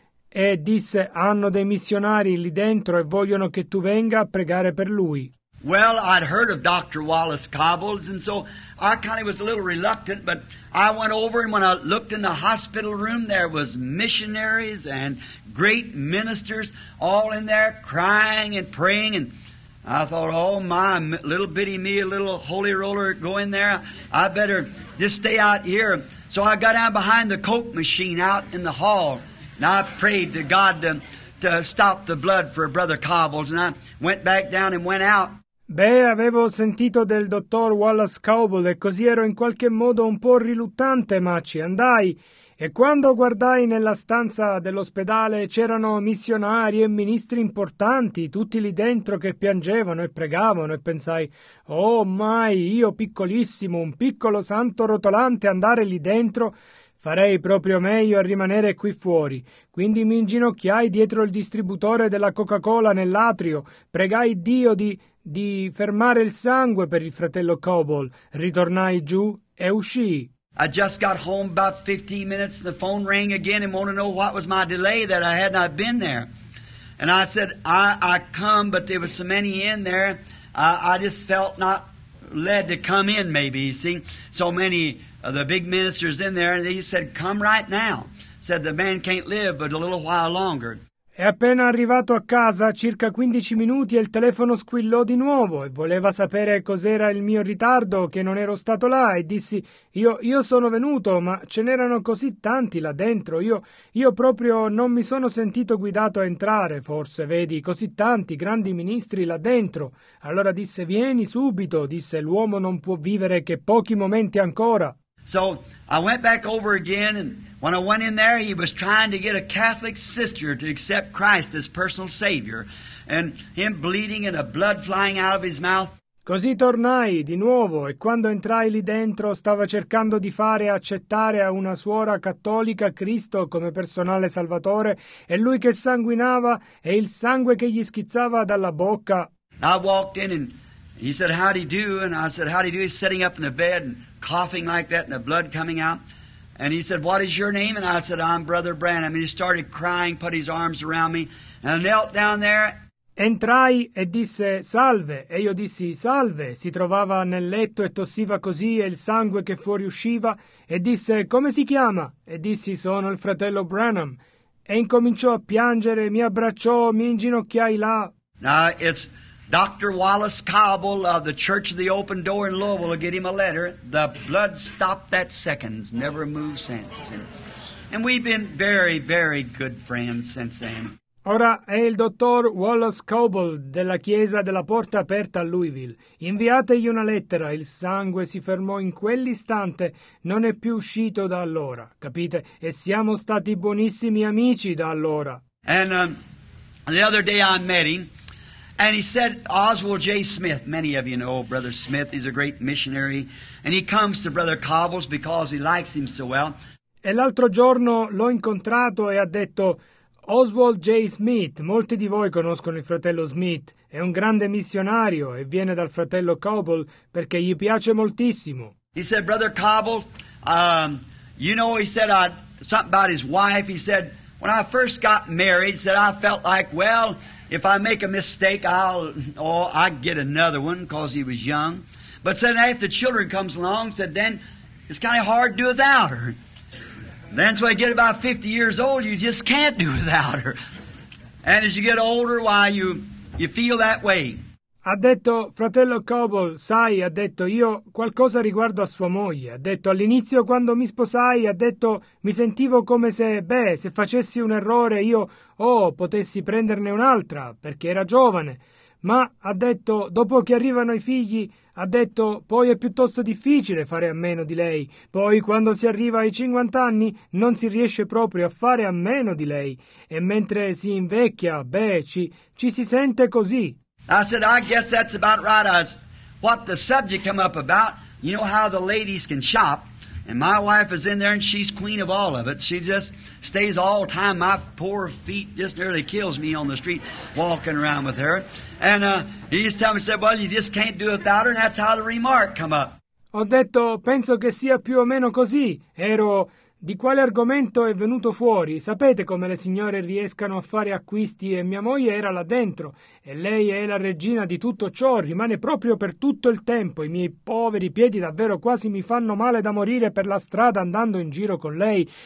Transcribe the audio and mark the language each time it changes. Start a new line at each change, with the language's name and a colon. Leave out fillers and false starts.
Italian: E disse, hanno dei missionari lì dentro e vogliono che tu venga a pregare per lui.
English: Well, I'd heard of Dr. Wallace Cobbles, and so I kind of was a little reluctant, but I went over, and when I looked in the hospital room, there was missionaries and great ministers all in there crying and praying, and I thought, oh, my, little bitty me, a little holy roller, go in there. I better just stay out here. So I got down behind the Coke machine out in the hall, and I prayed to God to stop the blood for Brother Cobbles, and I went back down and went out.
Italian: Beh, avevo sentito del dottor Wallace Cobble e così ero in qualche modo un po' riluttante, ma ci andai. E quando guardai nella stanza dell'ospedale c'erano missionari e ministri importanti, tutti lì dentro che piangevano e pregavano e pensai, oh mai, io piccolissimo, un piccolo santo rotolante, andare lì dentro, farei proprio meglio a rimanere qui fuori. Quindi mi inginocchiai dietro il distributore della Coca-Cola nell'atrio, pregai Dio di fermare il sangue per il fratello Cobble, ritornai giù e uscii.
English: I just got home about 15 minutes, and the phone rang again and wanted to know what was my delay that I had not been there. And I said, I come, but there were so many in there, I just felt not led to come in, maybe, you see. So many of the big ministers in there, and he said, come right now. Said, the man can't live but a little while longer.
Italian: È appena arrivato a casa, circa 15 minuti, e il telefono squillò di nuovo e voleva sapere cos'era il mio ritardo, che non ero stato là, e dissi, io sono venuto, ma ce n'erano così tanti là dentro, io proprio non mi sono sentito guidato a entrare, forse, vedi, così tanti grandi ministri là dentro. Allora disse, vieni subito, disse, l'uomo non può vivere che pochi momenti ancora.
English: So I went back over again, and when I went in there, he was trying to get a Catholic sister to accept Christ as personal Savior, and him bleeding and a blood flying out of his mouth.
Italian: Così tornai di nuovo, e quando entrai lì dentro, stava cercando di fare accettare a una suora cattolica Cristo come personale salvatore, e lui che sanguinava, e il sangue che gli schizzava dalla bocca.
English: I walked in, and he said, how do you do? And I said, how do you do? He's sitting up in the bed, and coughing like that, and the blood coming out. And he said, what is your name? And I said, I'm Brother Branham. And he started crying, put his arms around me, and I knelt down there.
Italian: Entrai e disse, salve. E io dissi, salve. Si trovava nel letto e tossiva così, e il sangue che fuoriusciva. E disse, come si chiama? E dissi, sono il fratello Branham. E incominciò a piangere, mi abbracciò, mi inginocchiai là.
English: Now, it's Dr. Wallace Cobble of the Church of the Open Door in Louisville will get him a letter. The blood stopped that second, never moved since. And we've been very, very good friends since then.
Italian: Ora è il dottor Wallace Cobble della Chiesa della Porta Aperta a Louisville. Inviategli una lettera. Il sangue si fermò in quell'istante, non è più uscito da allora. Capite? E siamo stati buonissimi amici da allora.
English: And the other day I met him. And he said, Oswald J. Smith, many of you know Brother Smith, he's a great missionary, and he comes to Brother Cobble's because he likes him so well.
Italian: E l'altro giorno l'ho incontrato e ha detto, Oswald J. Smith, molti di voi conoscono il fratello Smith, è un grande missionario e viene dal fratello Cobble perché gli piace moltissimo.
English: He said, Brother Cobble, you know, he said something about his wife. He said, when I first got married, he said, I felt like, well, if I make a mistake, I get another one, because he was young. But then after children comes along, said, then it's kind of hard to do without her. Then so you get about 50 years old, you just can't do without her. And as you get older, why, you feel that way.
Italian: Ha detto, fratello Cobble, sai, ha detto, io qualcosa riguardo a sua moglie. Ha detto, all'inizio quando mi sposai, ha detto, mi sentivo come se, beh, se facessi un errore io, potessi prenderne un'altra, perché era giovane. Ma, ha detto, dopo che arrivano i figli, ha detto, poi è piuttosto difficile fare a meno di lei. Poi, quando si arriva ai 50 anni, non si riesce proprio a fare a meno di lei. E mentre si invecchia, beh, ci si sente così.
English: I said, I guess that's about right. What the subject come up about, you know how the ladies can shop, and my wife is in there and she's queen of all of it. She just stays all the time. My poor feet just nearly kills me on the street walking around with her. And he just tell me, said, well, you just can't do it without her, and that's how the remark come up.
Italian: Ho detto, penso che sia più o meno così. Ero... Di quale argomento è venuto fuori? Sapete come le signore riescano a fare acquisti e mia moglie era là dentro. E lei è la regina di tutto ciò, rimane proprio per tutto il tempo. I miei poveri piedi davvero quasi mi fanno male da morire per la strada andando in giro con lei.